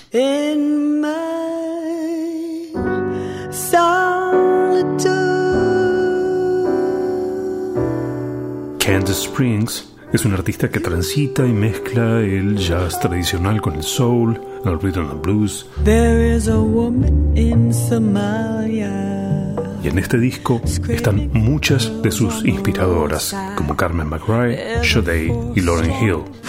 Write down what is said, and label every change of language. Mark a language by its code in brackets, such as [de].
[en] In my solitude. [es] Candace Springs es un artista que transita y mezcla el jazz tradicional con el soul, el rhythm and blues. [en] There is a woman in Somalia. [es] Y en este disco están muchas de sus inspiradoras, como Carmen McRae, Sade y Lauryn Hill.